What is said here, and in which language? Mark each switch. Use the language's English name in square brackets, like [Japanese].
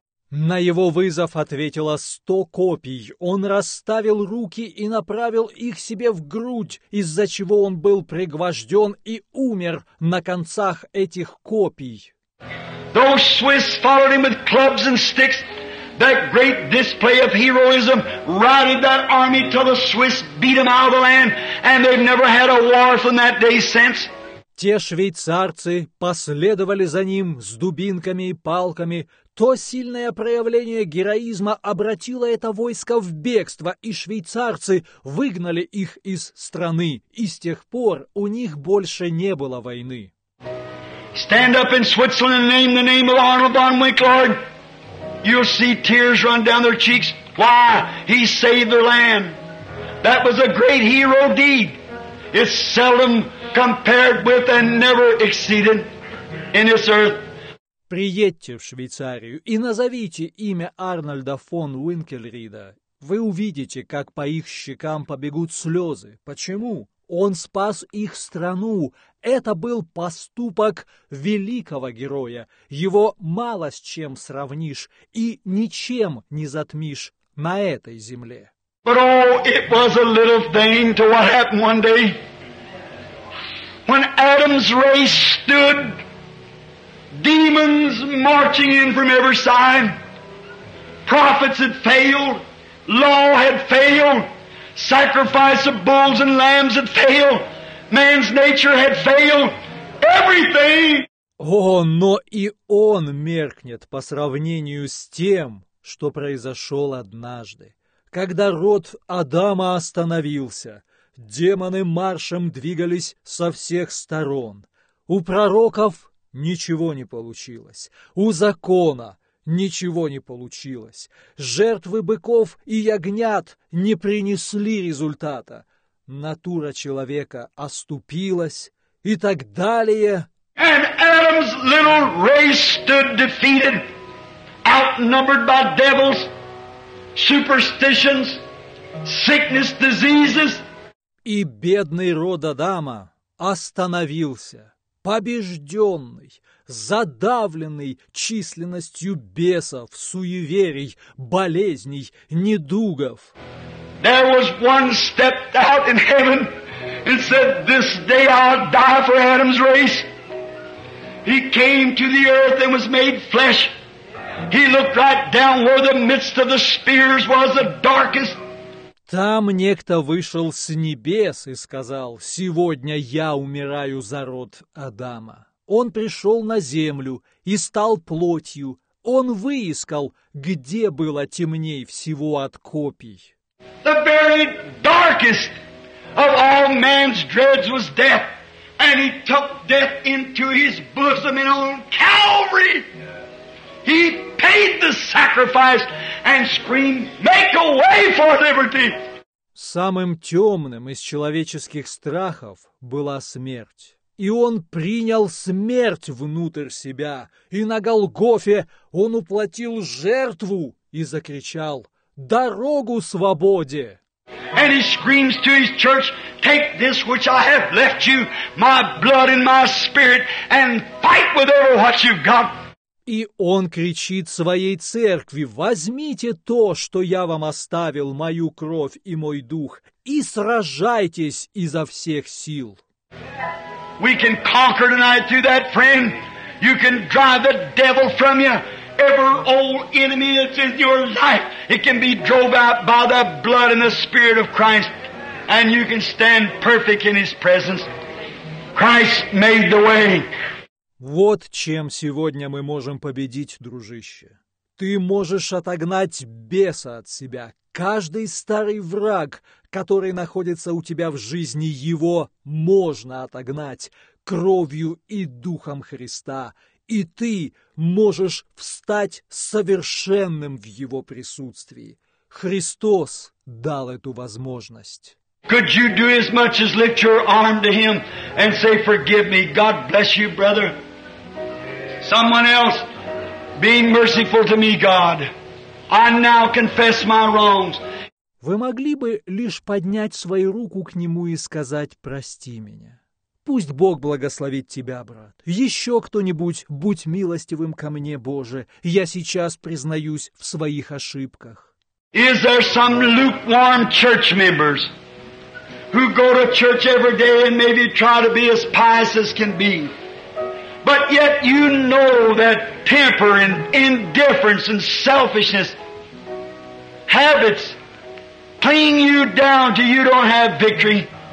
[Russian] На его вызов ответило 100 копий. Он расставил руки и направил их себе в грудь, из-за чего он был пригвожден и умер на концах этих копий. [English] Those Swiss followed him with clubs and sticks. That great display of heroism routed that army till the Swiss beat them out of the land, and they've never had a war from that day since. [Russian] Те швейцарцы последовали за ним с дубинками и палками. То сильное проявление героизма обратило это войско в бегство, и швейцарцы выгнали их из страны. И с тех пор у них больше не было войны. [English] Stand up in Switzerland and name the name of Arnold von Winkler. You'll see tears run down their cheeks. Why? He saved their land. That was a great hero deed. It's seldom compared with and never exceeded in this earth. [Russian] приедьте в Швейцарию и назовите имя Арнольда фон Уинкельрида. Вы увидите, как по их щекам побегут слезы. Почему? Он спас их страну. Это был поступок великого героя. Его мало с чем сравнишь и ничем не затмишь на этой земле. [English] But oh, it was a little thing to what happened one day when Adam's race stood, demons marching in from every side, prophets had failed, law had failed, sacrifice of bulls and lambs had failed, man's nature had failed, everything. [Russian] О, но и он меркнет по сравнению с тем, что произошел однажды. Когда род Адама остановился, демоны маршем двигались со всех сторон. У пророков ничего не получилось, у закона ничего не получилось. Жертвы быков и ягнят не принесли результата. Натура человека оступилась и так далее. [English] And Adam's little race stood defeated, outnumbered by devils. Superstitions, sickness, diseases. [Russian] И бедный род Адама остановился, побежденный, задавленный численностью бесов, суеверий, болезней, недугов. [English] There was one stepped out in heaven and said, "This day I'll die for Adam's race." He came to the earth and was made flesh. He looked right down where the midst of the spears was the darkest. [Russian] Там некто вышел с небес и сказал: «Сегодня я умираю за род Адама». Он пришел на землю и стал плотью. Он выискал, где было темней всего от копий. [English] The very darkest of all man's dreads was death, and he took death into his bosom and on Calvary. He paid the sacrifice and screamed, "Make a way for liberty!" [Russian] Самым темным из человеческих страхов была смерть. И он принял смерть внутрь себя, и на Голгофе он уплатил жертву и закричал: "Дорогу свободе!" [English] And he screams to his church, "Take this which I have left you, my blood and my spirit, and fight with ever what you've got." [Russian] И он кричит своей церкви: «Возьмите то, что я вам оставил, мою кровь и мой дух, и сражайтесь изо всех сил». [English] We can conquer tonight through that, friend. You can drive the devil from you. Every old enemy that's in your life, it can be drove out by the blood and the spirit of Christ, and you can stand perfect in his presence. Christ made the way. [Russian] Вот чем сегодня мы можем победить, дружище. Ты можешь отогнать беса от себя. Каждый старый враг, который находится у тебя в жизни, его можно отогнать кровью и духом Христа. И ты можешь встать совершенным в его присутствии. Христос дал эту возможность. [English] Could you do as much as lift your arm to him and say, "Forgive me, God bless you, brother"? Someone else, be merciful to me, God. I now confess my wrongs. [Russian] Вы могли бы лишь поднять свою руку к нему и сказать: «Прости меня». Пусть Бог благословит тебя, брат. Еще кто-нибудь, будь милостивым ко мне, Боже. Я сейчас признаюсь в своих ошибках. [English] Is there some lukewarm church members who go to church every day and maybe try to be as pious as can be? But yet you know that temper and indifference and selfishness, habits, cling you down till you don't have victory.